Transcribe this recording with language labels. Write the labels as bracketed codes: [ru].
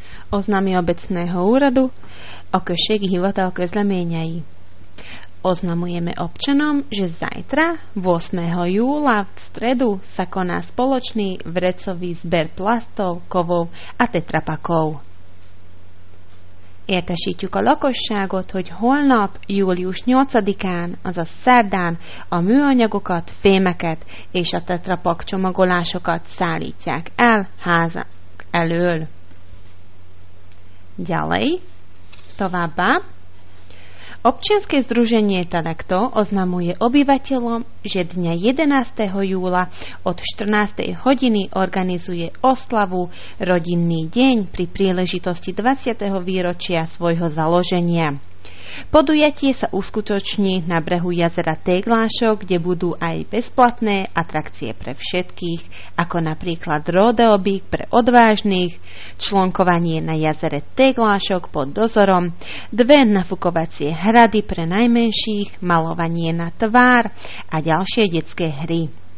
[sk] Oznámy obecného úradu, [hu] o községi hivatal közleményei. [sk] Oznamujeme občanom, že zajtra, 8. júla, v stredu, sa koná spoločný vrecový zber plastov, kovov a tetrapakov. [hu] Értesítjük a lakosságot, hogy holnap, július 8-án, azaz szerdán, a műanyagokat, fémeket és a tetrapak csomagolásokat szállítják el házak elől. [sk] Ďalej, [hu] továbbá. [sk] Občianske združenie Telekto oznamuje obyvateľom, že dňa 11. júla od 14. hodiny organizuje oslavu Rodinný deň pri príležitosti 20. výročia svojho založenia. Podujatie sa uskutoční na brehu jazera Téglášok, kde budú aj bezplatné atrakcie pre všetkých, ako napríklad rodeobík pre odvážnych, člnkovanie na jazere Téglášok pod dozorom, dve nafukovacie hrady pre najmenších, malovanie na tvár a ďalšie detské hry.